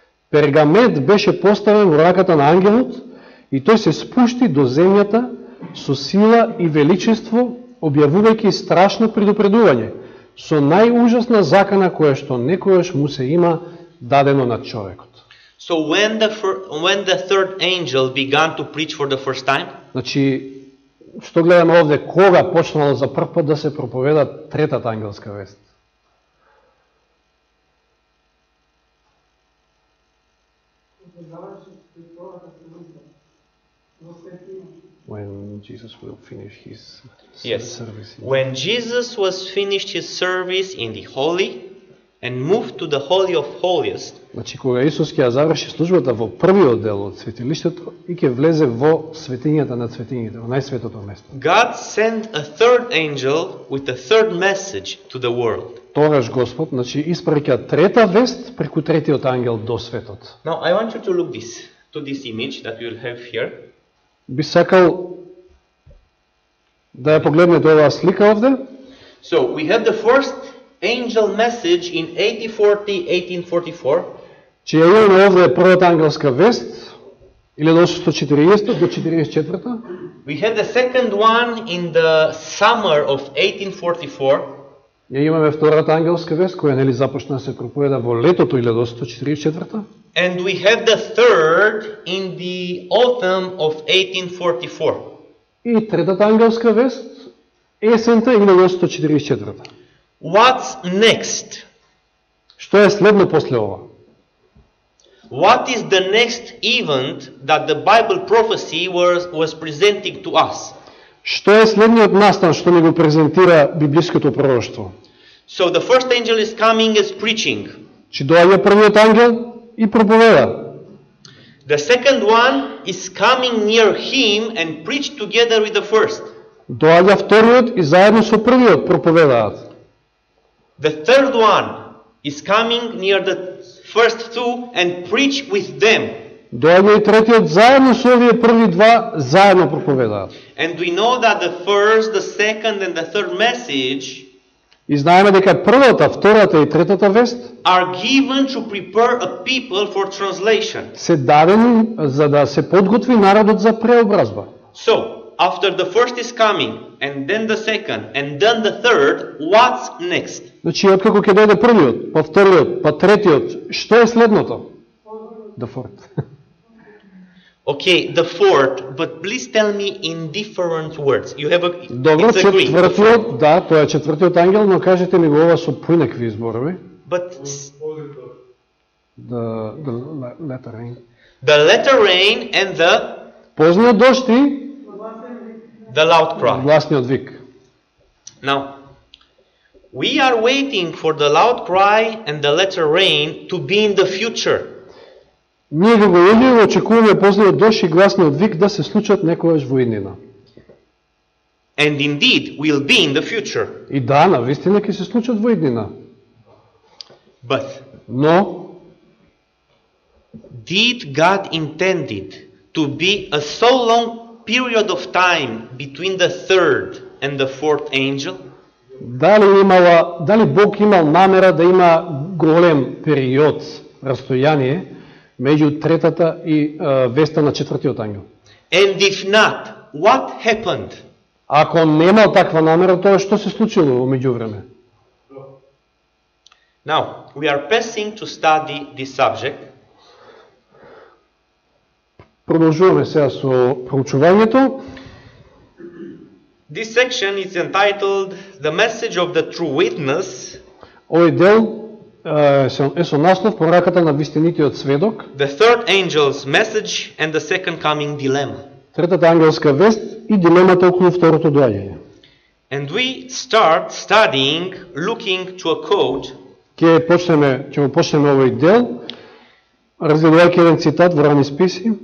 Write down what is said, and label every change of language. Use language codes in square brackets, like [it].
[mk] Пергамент беше поставен во раката на ангелот и тој се спушти до земјата со сила и величество, објавувајќи страшно предупредување со најужасна закана која што некојаш му се има дадено на човекот. [en] So when the third angel began to preach for the first time? [mk] Значи, што гледаме овде, кога почнало за прв пат да се проповеда третата ангелска вест? [en] When Jesus will finish his service. Yes. When Jesus was finished his service in the holy and moved to the holy of holiest. [mk] Значи кога Исус ќе заврши службата во првиот дел од светилиштето и ќе влезе во светињата на светињите, во најсветото место. [en] God sent a third angel with a third message to the world. [mk] Тогаш Господ, значи испраќа трета вест преку третиот ангел до светот. [en] Now I want you to look this to this image that you will have here. [mk] Би сакал да ја погледнете оваа слика овде. [en] So, we have the first angel message in 1844. [mk] Чи ја имаме овде првата ангелска вест, 1840 до 44. [en] We have the second one in the summer of 1844. [mk] Ја имаме втората ангелска вест, која нели започна да се проповеда во летото 1844. [en] And we have the third in the autumn of 1844. [mk] И третата ангелска вест, есента 1844. [en] What's next? [mk] Што е следно после ова? [en] What is the next event that the Bible prophecy was presenting to us? [mk] Што е следниот настан што ни го презентира библиското пророштво? [en] So the first angel is coming as preaching. [mk] Чи доаѓа првиот ангел? И проповеда. [en] The second one is coming near him and preach together with the first. [mk] Доаѓа вториот и заедно со првиот проповедаат. [en] The third one is coming near the first two and preach with them. [mk] Доаѓа и третиот заедно со овие први два заедно проповедаат. [en] And we know that the first, the second and the third message. [mk] И знаеме дека првата, втората и третата вест [en] are given to prepare a people for translation. [mk] Се дадени за да се подготви народот за преобразба. [en] So, after the first is coming, and then the second, and then the third, what's next? [mk] Значи, откако ќе дојде првиот, па вториот, па третиот, што е следното? [en] The fourth. Okay, the fourth, but please tell me in different words. You have a [mk] Добро, [en] it's [mk] четвртиот, a да, тоа е четвртиот ангел, но кажете ми го ова со поинакви изборови. [en] But the letter rain. The letter rain and the [mk] Познат дожд и [en] the loud cry. [mk] Гласниот вик. [en] Now, we are waiting for the loud cry and the letter rain to be in the future. [mk] Ние го гледаме, очекуваме последниот дожд и гласниот вик да се случат некојаш во иднина. [en] And indeed, will be in the future. [mk] И да, на вистина ќе се случат во иднина. [en] But, [mk] но [en] did God intended to be a so long period of time between the third and the fourth angel? [mk] Дали Бог имал намера да има голем период растојание меѓу третата и веста на четвртиот ангел? [en] And if not, what happened? [mk] Ако немал таква намера, тоа што се случило во меѓувреме? [en] Now, we are passing to study this subject. [mk] Продолжуваме сега со проучувањето. [en] This section is entitled The Message of the True Witness. [mk] Овој дел е со наслов Пораката на вистинитиот сведок. [en] The third angel's message and the second coming dilemma. [mk] Третата ангелска вест и дилемата околу второто доаѓање. [en] And we start studying looking to a quote. [mk] Ќе почнеме овој дел разгледувајќи еден цитат во Рани Списи.